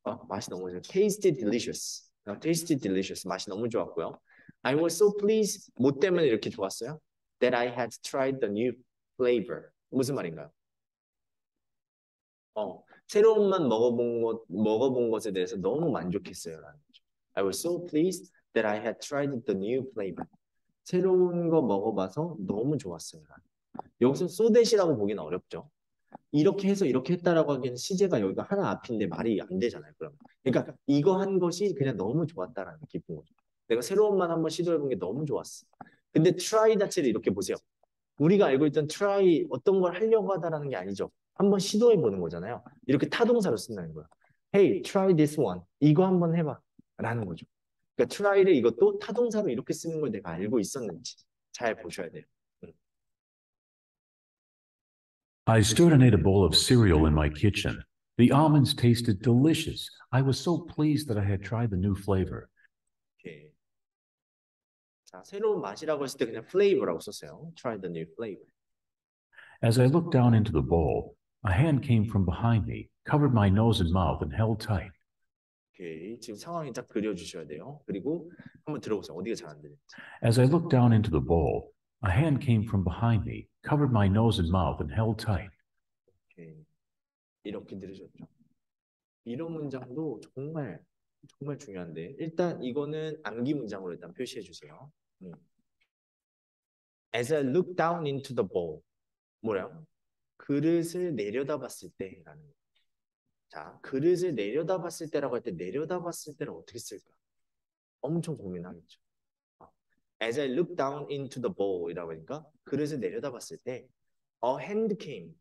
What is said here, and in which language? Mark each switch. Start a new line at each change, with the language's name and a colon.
Korean: 맛이 너무 좋아요.
English: Tasted delicious. Tasted delicious.
Korean: 맛이 너무 좋았고요.
English: I was so pleased.
Korean: 뭐 때문에 이렇게 좋았어요?
English: That I had tried the new flavor.
Korean: 무슨 말인가요? 새로운 맛 먹어본 것에 대해서 너무 만족했어요. 라는 거죠.
English: I was so pleased that I had tried the new flavor.
Korean: 새로운 거 먹어봐서 너무 좋았어요. 여기서 so that이라고 보기는 어렵죠. 이렇게 해서 이렇게 했다라고 하기엔 시제가 여기가 하나 앞인데 말이 안 되잖아요. 그러면 그러니까 이거 한 것이 그냥 너무 좋았다라는 기쁜 거죠. 내가 새로운 맛 한번 시도해본 게 너무 좋았어. 근데 try 자체를 이렇게 보세요. 우리가 알고 있던 try 어떤 걸 하려고 하다라는 게 아니죠. 한번 시도해보는 거잖아요. 이렇게 타동사로 쓴다는 거야.
English: Hey, try this one.
Korean: 이거 한번 해봐라는 거죠. 그러니까 try를 이것도 타동사로 이렇게 쓰는 걸 내가 알고 있었는지 잘 보셔야 돼요.
English: I stood and ate a bowl of cereal in my kitchen. The almonds tasted delicious. I was so pleased that I had tried the new flavor.
Korean: 자, 새로운 맛이라고 했을 때 그냥 flavor라고 썼어요.
English: Try the new flavor. As I looked down into the bowl, a hand came from behind me, covered my nose and mouth, and held tight.
Korean: 오케이. 지금 상황이 딱 그려주셔야 돼요. 그리고 한번 들어보세요. 어디가 잘안 들리는지.
English: As I looked down into the bowl, a hand came from behind me, covered my nose and mouth, and held tight.
Korean: 이렇게 들으셨죠? 이런 문장도 정말 정말 중요한데 일단 이거는 암기 문장으로 일단 표시해 주세요.
English: As I look down into the bowl,
Korean: 뭐라고? 그릇을 내려다봤을 때라는 거. 자, 그릇을 내려다봤을 때라고 할때 내려다봤을 때를 어떻게 쓸까? 엄청 고민하겠죠.
English: As I look down into the bowl이라고 하니까
Korean: 그릇을 내려다봤을 때
English: A hand came.